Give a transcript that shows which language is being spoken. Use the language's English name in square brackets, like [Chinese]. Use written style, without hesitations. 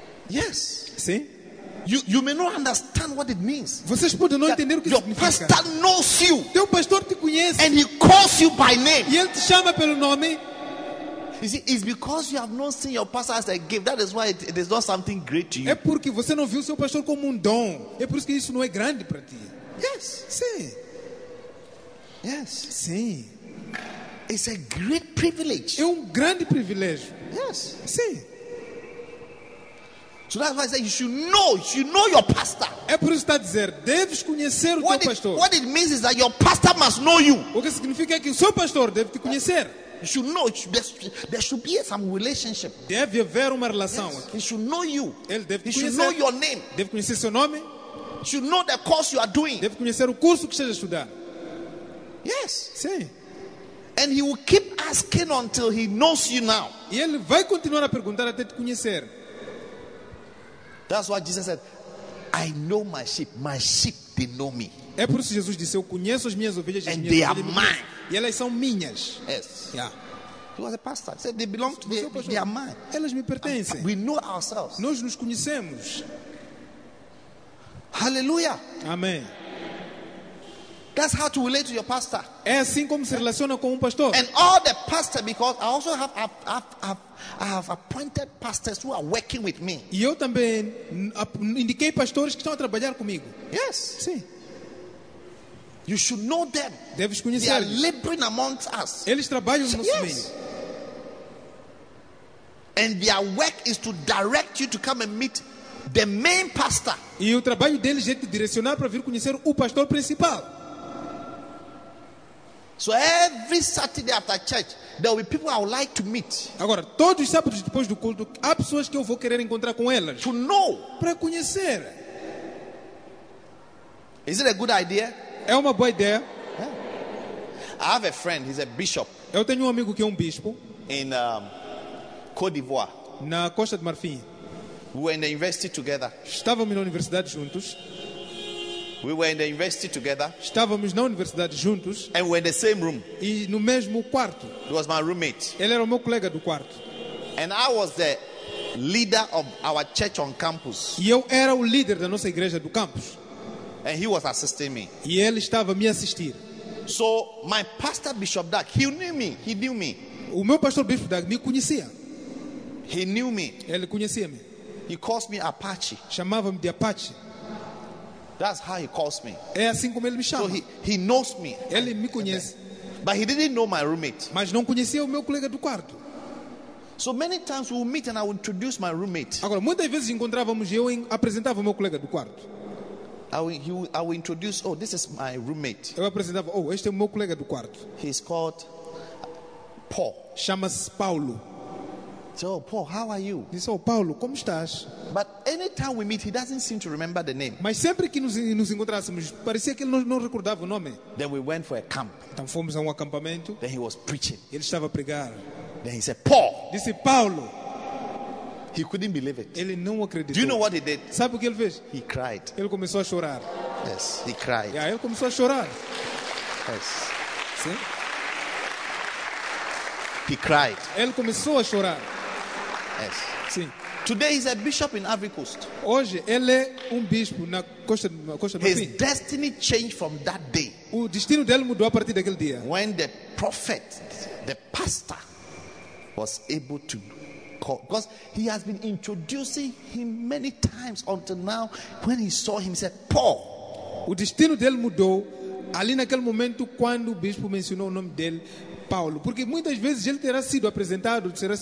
[English] Yes. [Portuguese] Sim. [English] You may not understand what it means. [Portuguese] Vocês podem não entender o que [English] your [Portuguese] significa. [English] Pastor knows you. [Portuguese] Teu pastor te conhece. [English] And he calls you by name. [Portuguese] E ele te chama pelo nome. [English] You see, it's because you have not seen your pastor as a gift. That is why it is not something great to you. [Portuguese] É porque você não viu seu pastor como dom. É por isso que isso não é grande para ti. [English] Yes. [Portuguese] Sim. [English] Yes. [Portuguese] Sim. [English] It's a great privilege. [Portuguese] É grande privilégio. [English] Yes. [Portuguese] Sim. [English] So that's why I say you should know your pastor. [Portuguese] É por isso que está dizer, deves conhecer o teu pastor. [English] What it means is that your pastor must know you. [Portuguese] O que significa é que o seu pastor deve te conhecer. [English] You should know. There should be some relationship. [Portuguese] Deve haver uma relação. [English] Yes. He should know you. [Portuguese] Ele deve te conhecer. [English] He should know your name. [Portuguese] Deve conhecer seu nome. [English] He should know the course you are doing. [Portuguese] Deve conhecer o curso que estás a estudar. [English] Yes. [Portuguese] Sim. [English] And he will keep asking until he knows you now. [Portuguese] E ele vai continuar a perguntar até te conhecer. [English] That's why Jesus said, I know my sheep. My sheep, they know me. [Portuguese] É por isso que Jesus disse, eu conheço as minhas ovelhas. [English] And they are mine. [Portuguese] E elas são minhas. [English] Yes. Yeah. He was a pastor. He said, they belong to me. They are mine. [Portuguese] Elas me pertencem. [English] We know ourselves. [Portuguese] Nós nos conhecemos. [English] Hallelujah. [Portuguese] Amém. [English] That's how to relate to your pastor. [Portuguese] É assim como se relaciona com pastor. [English] And all the pastors, because I also have appointed pastors who are working with me. [Portuguese] E eu também indiquei pastores que estão a trabalhar comigo. [English] Yes. [Portuguese] Sim. [English] You should know them. [Portuguese] Deves conhecer. [English] They are laboring amongst us. [Portuguese] Eles trabalham no nosso meio. [English] And their work is to direct you to come and meet the main pastor. [Portuguese] E o trabalho deles é te direcionar para vir conhecer o pastor principal. [English] So every Saturday after church, there will be people I would like to meet. [Portuguese] Agora, todos os sábados depois do culto, há pessoas que eu vou querer encontrar com elas. [English] To know. [Portuguese] Para conhecer. [English] Is it a good idea? [Portuguese] É uma boa ideia. [English] Yeah. I have a friend, he's a bishop. [Portuguese] Eu tenho amigo que é bispo. [English] In Côte d'Ivoire. [Portuguese] Na Costa de Marfim. [English] We were in the university together. [Portuguese] Estávamos na universidade juntos. [English] We were in the university together. [Portuguese] Estávamos na universidade juntos. [English] And we're in the same room. [Portuguese] E no mesmo quarto. [English] He was my roommate. [Portuguese] Ele era o meu colega do quarto. [English] And I was the leader of our church on campus. [Portuguese] E eu era o líder da nossa igreja do campus. [English] And he was assisting me. [Portuguese] E ele estava me assistir. [English] So my pastor Bishop Doug, he knew me. He knew me. [Portuguese] O meu pastor Bishop Doug me conhecia. [English] He knew me. [Portuguese] Ele conhecia-me. [English] He calls me Apache. [Portuguese] Chamava-me de Apache. [English] That's how he calls me. [Portuguese] É assim como ele me chama. [English] So he knows me. [Portuguese] Ele me conhece. [English] But he didn't know my roommate. [Portuguese] Mas não conhecia o meu colega do quarto. [English] So many times we would meet and I would introduce my roommate. [Portuguese] Agora muitas vezes encontrávamos e eu apresentava o meu colega do quarto. [English] I will introduce. Oh, this is my roommate. [Portuguese] Eu apresentava. Oh, este é o meu colega do quarto. [English] He's called Paul. [Portuguese] Chama-se Paulo. [English] So Paul, how are you? [Portuguese] Disse, oh, Paulo, como estás? [English] But anytime we meet, he doesn't seem to remember the name. [Portuguese] Mas sempre que nos encontrássemos, parecia que ele não recordava o nome. [English] Then we went for a camp. [Portuguese] Então fomos a acampamento. [English] Then he was preaching. [Portuguese] Ele estava a pregar. [English] Then he said, Paul. [Portuguese] Disse, Paulo. [English] He couldn't believe it. [Portuguese] Ele não acreditou. [English] Do you know what he did? [Portuguese] Sabe o que ele fez? [English] He cried. [Portuguese] Ele começou a chorar. [English] Yes, he cried. [Portuguese] Yeah, ele começou a chorar. [English] Yes. [Portuguese] Sim. [English] He cried. [Portuguese] Ele começou a chorar. [English] Yes. [Portuguese] Sim. [English] Today he's a bishop in Ivory Coast. [Portuguese] Hoje ele é bispo na Costa do [English] Marfim. His destiny changed from that day. [Portuguese] O destino dele mudou a partir daquele dia. [English] When the prophet, the pastor, was able to called, because he has been introducing him many times until now. When he saw him, he said, Paul. [Portuguese] O destino dele mudou ali naquele momento quando o bispo mencionou o nome dele, Paulo, porque muitas vezes ele terá sido apresentado.